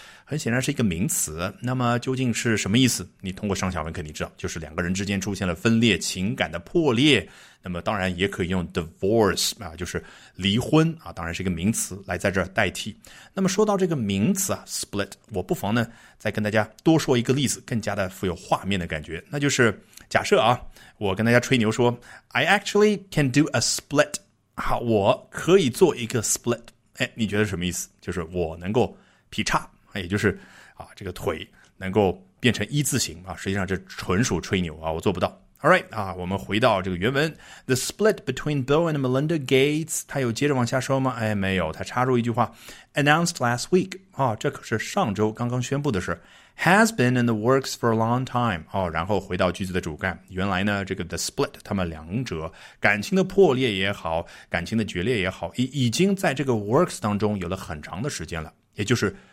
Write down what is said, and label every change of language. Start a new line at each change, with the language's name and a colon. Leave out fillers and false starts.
Chinese: 很显然是一个名词那么究竟是什么意思你通过上下文肯定知道就是两个人之间出现了分裂情感的破裂那么当然也可以用 divorce 啊，就是离婚啊，当然是一个名词来在这儿代替那么说到这个名词啊 split 我不妨呢再跟大家多说一个例子更加的富有画面的感觉那就是假设啊我跟大家吹牛说
English: I actually can do a split
Chinese: 好我可以做一个 split 哎，你觉得什么意思就是我能够劈叉也就是啊，这个腿能够变成一字形啊，实际上这纯属吹牛啊，我做不到。
English: All right
Chinese: 啊，我们回到这个原文 ，
English: The split between Bill and Melinda Gates，
Chinese: 他有接着往下说吗？哎，没有，他插入一句话 ，
English: announced last week
Chinese: 啊，这可是上周刚刚宣布的事 ，
English: has been in the works for a long time
Chinese: 哦、啊，然后回到句子的主干，原来呢，这个 the split 他们两者感情的破裂也好，感情的决裂也好，已经在这个 works 当中有了很长的时间了，也就是。